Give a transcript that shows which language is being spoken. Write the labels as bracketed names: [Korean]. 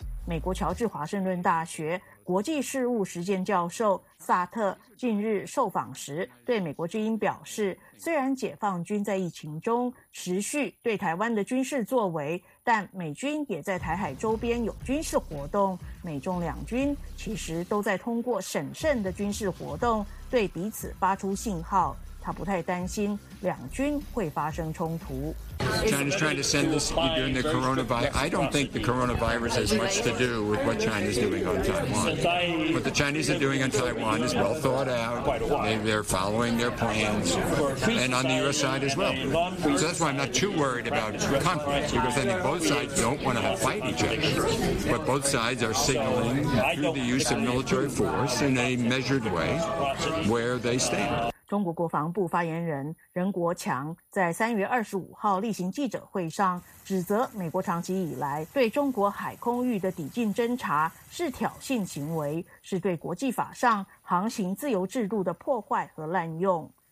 [Chinese] 美国乔治华盛顿大学国际事务实践教授萨特近日受访时对美国之音表示，虽然解放军在疫情中持续对台湾的军事作为，但美军也在台海周边有军事活动，美中两军其实都在通过审慎的军事活动对彼此发出信号。他不太担心两军会发生冲突。 [English] China's trying to send this during the coronavirus. I don't think the coronavirus has much to do with what China's doing on Taiwan. What the Chinese are doing on Taiwan is well thought out. They're following their plans, and on the U.S. side as well. So that's why I'm not too worried about conflict, because I think both sides don't want to fight each other. But both sides are signaling through the use of military force in a measured way where they stand. [Chinese] 中国国防部发言人任国强在3月25号例行记者会上指责美国长期以来对中国海空域的抵近侦察是挑衅行为，是对国际法上航行自由制度的破坏和滥用。